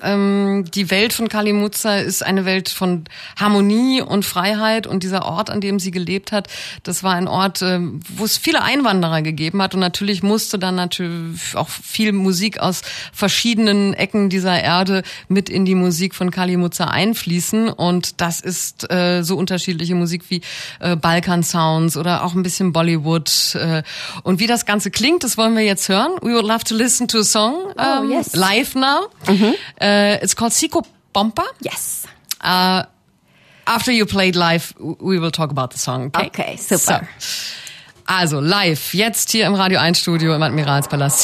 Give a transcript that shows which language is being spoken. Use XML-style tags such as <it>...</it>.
<de>Die Welt von Kali Mutza ist eine Welt von Harmonie und Freiheit, und dieser Ort, an dem sie gelebt hat, das war ein Ort, wo es viele Einwanderer gegeben hat, und natürlich musste dann natürlich auch viel Musik aus verschiedenen Ecken dieser Erde mit in die Musik von Kali Mutza einfließen, und das ist so unterschiedliche Musik wie Balkans Sounds oder auch ein bisschen Bollywood. Und wie das Ganze klingt, das wollen wir jetzt hören.</de> <en>We would love to listen to a song live now. Mm-hmm. It's called Siko Pompa. Yes. After you played live, we will talk about the song. Okay, okay, super. So,</en> <de>also live, jetzt hier im Radio 1 Studio im Admiralspalast.</de>